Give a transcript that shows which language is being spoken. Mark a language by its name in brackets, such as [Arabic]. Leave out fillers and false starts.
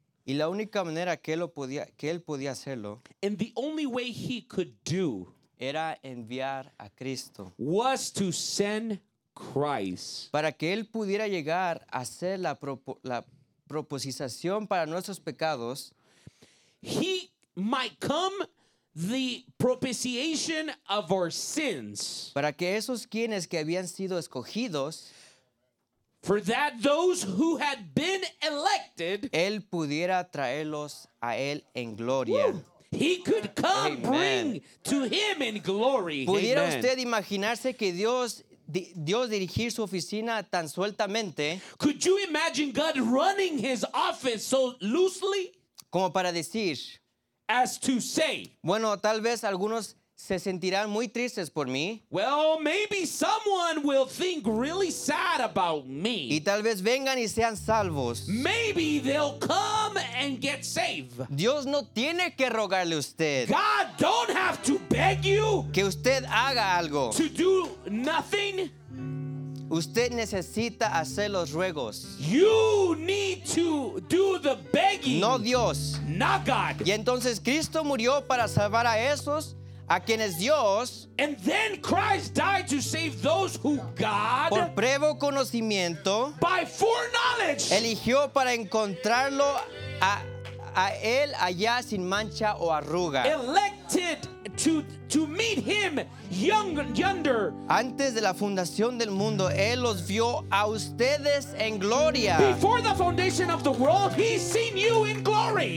[Spanish] Y la única manera que él podía hacerlo. [English] And the only way he could do. [Spanish] Era enviar a Cristo. [English] Was to send Christ. [Spanish] Para que él pudiera llegar a ser la propiciación para nuestros pecados. [English] He might come the propitiation of our sins. [Spanish] Para que esos quienes que habían sido escogidos. [English] For that those who had been elected. [Spanish] Él pudiera traerlos a él en gloria. Woo. [English] He could come Amen. Bring to him in glory. [Spanish] ¿Pudiera Amen. Usted imaginarse que Dios dirigir su oficina tan sueltamente? [English] Could you imagine God running his office so loosely? [Spanish] Como para decir. [English] As to say. [Spanish] Bueno, tal vez algunos se sentirán muy tristes por mí. [English] Well, maybe someone will think really sad about me. [Spanish] Y tal vez vengan y sean salvos. [English] Maybe they'll come and get saved. [Spanish] Dios no tiene que rogarle a usted. [English] God don't have to beg you. [Spanish] Que usted haga algo. [English] To do nothing. [Spanish] Usted necesita hacer los ruegos. [English] You need to do the begging. [Spanish] No Dios. [English] Not God. [Spanish] Y entonces Cristo murió para salvar a esos. A quienes Dios, [English] and then Christ died to save those who God, [Spanish] por previo conocimiento, [English] by foreknowledge, [Spanish] eligió para encontrarlo a él allá sin mancha o arruga. [English] Elected to meet him yonder. [Spanish] Antes de la fundación del mundo, él los vio a ustedes en gloria. [English] Before the foundation of the world, he's seen you in glory.